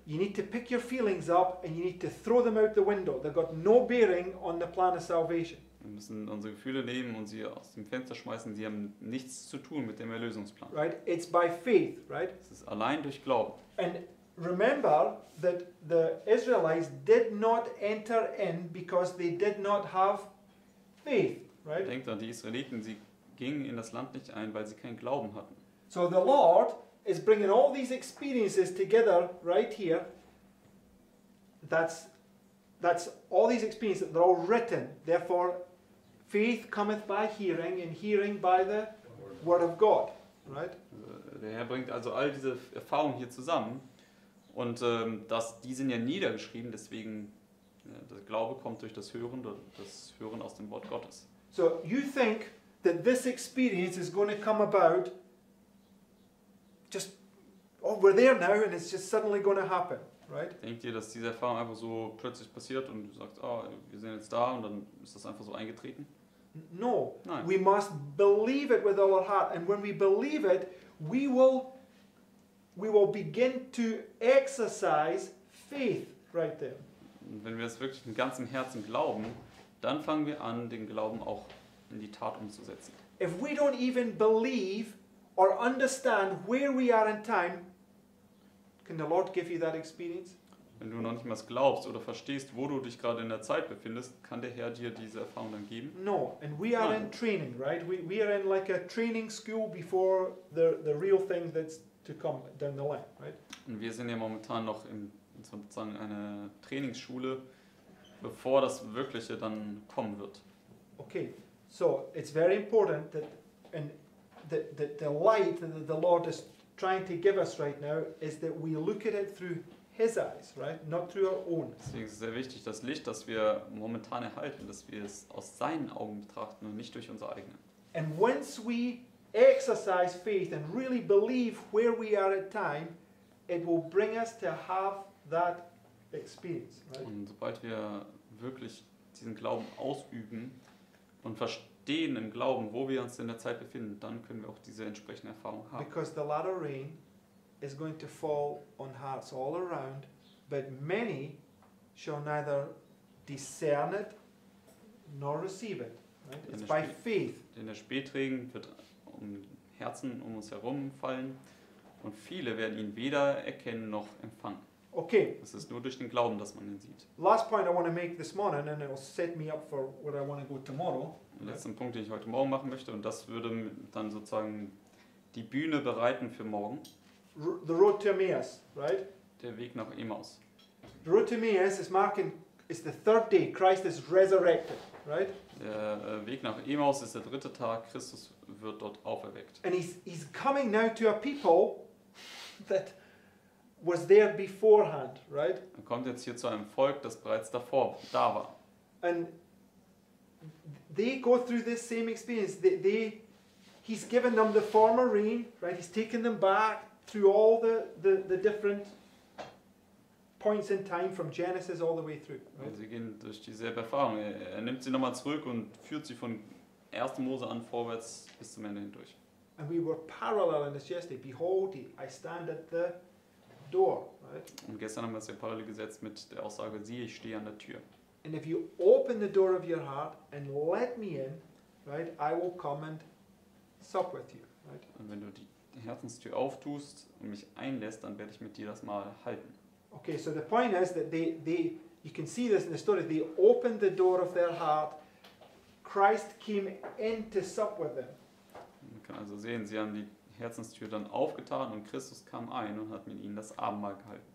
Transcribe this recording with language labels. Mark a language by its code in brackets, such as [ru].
[en] You need to pick your feelings up and you need to throw them out the window. They've got no bearing on the plan of salvation. [de] Wir müssen unsere Gefühle nehmen und sie aus dem Fenster schmeißen. Sie haben nichts zu tun mit dem Erlösungsplan. [en] Right? It's by faith, right? [de] Es ist allein durch Glauben. [en] And remember that the Israelites did not enter in because they did not have faith, right? [de] Denkt an die Israeliten, sie gingen in das Land nicht ein, weil sie keinen Glauben hatten. [en] So the Lord is bringing all these experiences together right here. That's all these experiences, they're all written. Therefore, faith cometh by hearing, and hearing by the word of God, right? [de] Der Herr bringt also all diese Erfahrungen hier zusammen. Und die sind ja niedergeschrieben, deswegen der Glaube kommt durch das Hören aus dem Wort Gottes. [en] So you think that this experience is going to come about just, oh, we're there now and it's just suddenly going to happen, right? [de] Denkt ihr, dass diese Erfahrung einfach so plötzlich passiert und du sagst, oh, wir sind jetzt da und dann ist das einfach so eingetreten? [en] No. [de] Nein. [en] We must believe it with all our heart, and when we believe it, we will begin to exercise faith right there. [de] Wenn wir es wirklich mit ganzem Herzen glauben, dann fangen wir an, den Glauben auch in die Tat umzusetzen. [en] If we don't even believe or understand where we are in time, can the Lord give you that experience? [de] Wenn du noch nicht mal glaubst oder verstehst, wo du dich gerade in der Zeit befindest, kann der Herr dir diese Erfahrung dann geben? [en] No, and we are in training, right? We are in like a training school before the real thing that's to come down the line, right? [de] Und wir sind ja momentan noch in sozusagen einer Trainingsschule, bevor das Wirkliche dann kommen wird. [en] Okay, so it's very important that the light that the Lord is trying to give us right now is that we look at it through His eyes, right? Not through our own. [de] Deswegen ist es sehr wichtig, das Licht, das wir momentan erhalten, dass wir es aus seinen Augen betrachten und nicht durch unsere eigenen. [en] And once we exercise faith and really believe where we are at time, it will bring us to have that experience, right? [de] Und sobald wir wirklich diesen Glauben ausüben und verstehen im Glauben, wo wir uns in der Zeit befinden, dann können wir auch diese entsprechende Erfahrung haben. [en] Because the latter rain is going to fall on hearts all around, but many shall neither discern it nor receive it. Right? It's by faith. [de] Denn der Spätregen wird Herzen um uns herum fallen und viele werden ihn weder erkennen noch empfangen. [en] Okay. [de] Es ist nur durch den Glauben, dass man ihn sieht. [en] Last point I want to make this morning, and it'll set me up for what I want to go tomorrow. Right? [de] Letzten Punkt, den ich heute Morgen machen möchte, und das würde dann sozusagen die Bühne bereiten für morgen. [en] The road to Emmaus, right? [de] Der Weg nach Emmaus. [en] The road to Emmaus is marking is the third day Christ is resurrected, right? [de] Der Weg nach Emmaus ist der dritte Tag, Christus wird dort auferweckt. [en] And he's coming now to a people that was there beforehand, right? [de] Er kommt jetzt hier zu einem Volk, das bereits davor da war. [en] And they go through this same experience. He's given them the former rain, right? He's taken them back through all the different points in time from Genesis all the way through. [de] Right? Sie gehen durch dieselbe Erfahrung. Er nimmt sie nochmal zurück und führt sie von 1. Mose an vorwärts bis zum Ende hindurch. [en] And we were parallel in this yesterday. Behold, I stand at the door. Right? [de] Und gestern haben wir es ja parallel gesetzt mit der Aussage, siehe, ich stehe an der Tür. [en] And if you open the door of your heart and let me in, right, I will come and sup with you. Right? [de] Und wenn du die Herzenstür auftust und mich einlässt, dann werde ich mit dir das mal halten. [en] Okay, so the point is that they you can see this in the story, they opened the door of their heart. Christ came in to sup with them. [de] Man kann also sehen, sie haben die Herzenstür dann aufgetan und Christus kam ein und hat mit ihnen das Abendmahl gehalten.